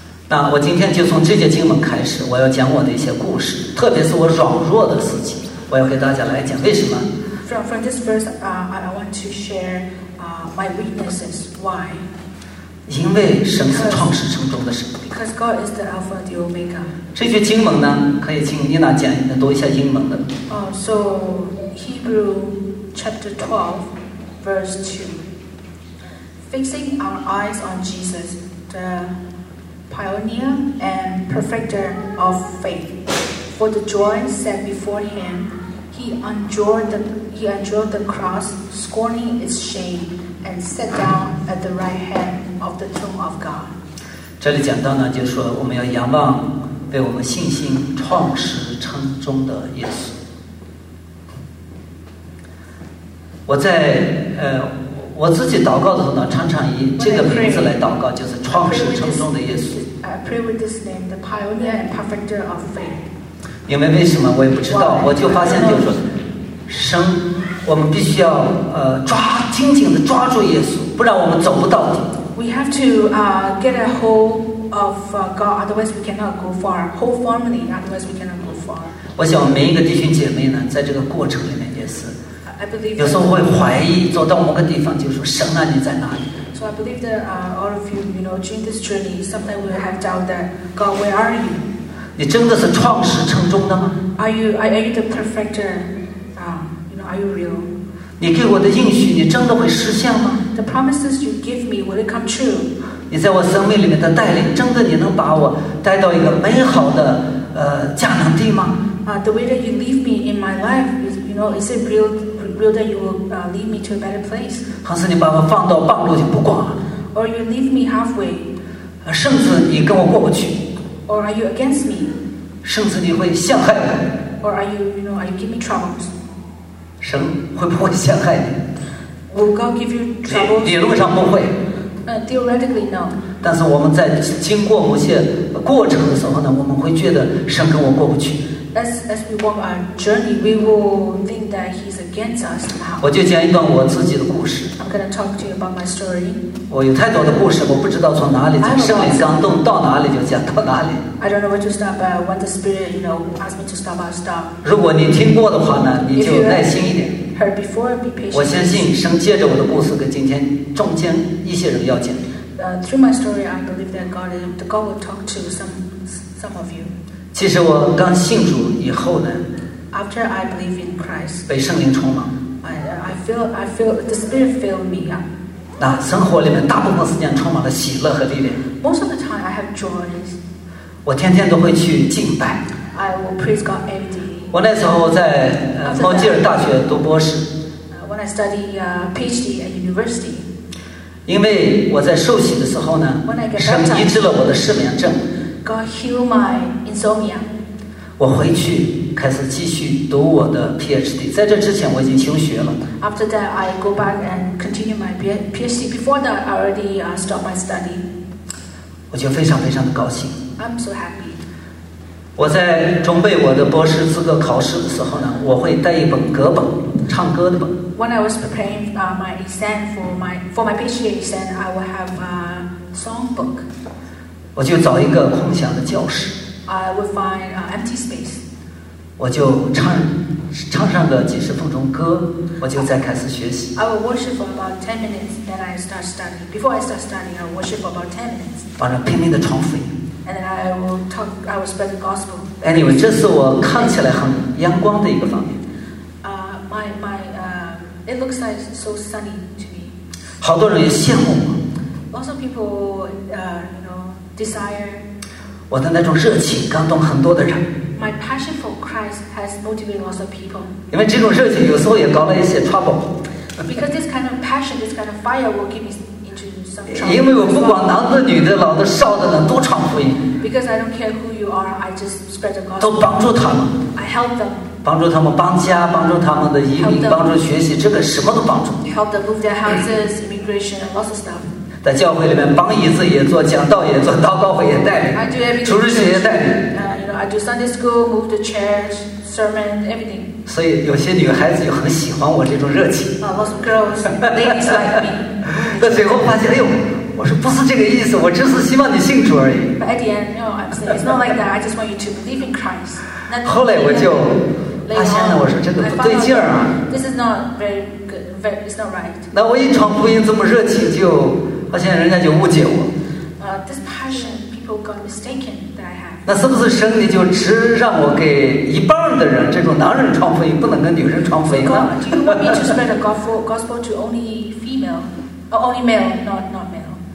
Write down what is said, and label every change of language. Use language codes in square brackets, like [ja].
[zh] 那我今天就从这节经文开始，我要讲我的一些故事，特别是我软弱的事情，我要给大家来讲为什么。 [en] From this verse, I want to share my weaknesses. Why? [zh] 因为神是创始成终的神。 [en] Because God is the Alpha and the Omega. [zh] 这句经文呢，可以请妮娜讲一下，读一下英文的。 [en] So Hebrew chapter 12, verse 2. Fixing our eyes on Jesus, the pioneer and perfecter of faith, for the joy set before him, he endured the cross, scorning its shame, and sat down at the right hand. Of the throne of God. [zh] 这里讲到呢，就是说我们要仰望为我们信心创始成终的耶稣。我在我自己祷告的时候呢，常常以这个名字来祷告，就是创始成终的耶稣。 [en] I pray with this name, the pioneer and perfecter of faith. [zh] 因为为什么我也不知道，我就发现就是说，生我们必须要抓紧紧的抓住耶稣，不然我们走不到底。 [en] We have to get a hold of God, otherwise we cannot go far. Hold firmly, otherwise we cannot go far. [zh] 我想每一个弟兄姐妹呢，在这个过程里面也是。 [en] I believe. [zh] 有时候会怀疑，走到某个地方就说：“神啊，你在哪里？” [en] So I believe that all of you, you know, during this journey, sometimes we have doubt that God, where are you? [zh] 你真的是创始成终的吗 [en] ？Are you the perfecter? You know, are you real? [zh] 你给我的应许，你真的会实现吗 [en] ？The promises you give me, will it come true? [zh] 你在我生命里面的带领，真的你能把我带到一个美好的迦南地吗 [en] ？The way that you leave me in my life, you know, is it real that you will lead me to a better place? [zh] 还是你把我放到半路就不管了 [en] ？Or you leave me halfway? [zh] 甚至你跟我过不去 [en] ？Or are you against me? [zh] 甚至你会陷害我 [en] ？Or are you giving me troubles? [zh] 神会不会陷害你 [en] ？Will God give you trouble? [zh] 理论上不会。 [en] Theoretically, no. [zh] 但是我们在经过某些过程的时候呢，我们会觉得神跟我过不去。 [en] As we walk our journey, we will think that He's against us. [zh] 我就讲一段我自己的故事。 [en] I'm going to talk to you about my story. [zh] 我有太多的故事，我不知道从哪里从圣灵感动到哪里就讲到哪里。 [en] I don't know where to stop, but when the Spirit, you know, asked me to stop, I'll stop. [zh] 如果你听过的话呢，你就耐心一点。 [en] Heard before, be patient. [zh] 我相信神借着我的故事跟今天中间一些人要讲。 [en] Through my story, I believe that God will talk to some of you. [zh] 其实我刚信主以后呢 [en] ，After I believe in Christ， [zh] 被圣灵充满 [en] ，I feel the Spirit filled me up。 [zh] 那生活里面大部分时间充满了喜乐和力量。 [en] Most of the time I have joy。 [zh] 我天天都会去敬拜。 [en] I will praise God every day。 [zh] 我那时候在蒙吉尔大学读博士。 [en] When I study PhD at university。 [zh] 因为我在受洗的时候呢，神医治了我的失眠症。 [en] God healed my insomnia. [zh] 我回去开始继续读我的 PhD. 在这之前我已经休学了。 [en] After that, I go back and continue my PhD. Before that, I already stopped my study. [zh] 我就非常非常的高兴。 [en] I'm so happy. [zh] 我在准备我的博士资格考试的时候呢，我会带一本歌本，唱歌的本。 [en] When I was preparing my exam for my PhD exam, I will have a songbook. [zh] 我就找一个空闲的教室 [en] I will find an empty space [zh] 我就唱上个几十分钟歌我就再开始学习 [en] I will worship for about 10 minutes then I start studying before I start studying I will worship for about 10 minutes [zh] 反正拼命的传福音 [en] and then I will spread the gospel anyway [zh] 这是我看起来很阳光的一个方面 [en] my it looks like so sunny to me [zh] 好多人也羡慕我 [en] lots of people desire [zh] 我的那种热情感动很多的人 [en] My passion for Christ has motivated lots of people [zh] 因为这种热情有时候也搞了一些 [en] trouble Because this kind of passion, this kind of fire will give me into some trouble [zh] 因为我不管男的女的老的少的呢都传福音 [en] Because I don't care who you are, I just spread the gospel [zh] 都帮助他们 [en] I help them [zh] 帮助他们搬家帮助他们的移民帮助学习这个什么都帮助 [en] Help them move their houses, immigration, and lots of stuff [zh] 在教会里面帮椅子也做，讲道也做，祷告会也带领，主日学也带领。 [en] I do Sunday school, move the chairs, sermon, everything. [zh] 所以有些女孩子就很喜欢我这种热情。 [en] Lots of girls, ladies like me. [zh] 那最后发现，哎呦，我说不是这个意思，我只是希望你信主而已。 [en] But at the end, no, it's not like that. I just want you to believe in Christ. [zh] 后来我就发现了，我说真的不对劲啊。 [en] This is not very good. It's not right. [zh] 那我一传福音这么热情就。发现人家就误解我。 [en] This passion people got mistaken that I have. [zh] 那是不是神你就只让我给一半的人这种男人传福音，不能跟女人传福音呢？ [en] God, do you want me to spread the gospel to only female, or only male, not male?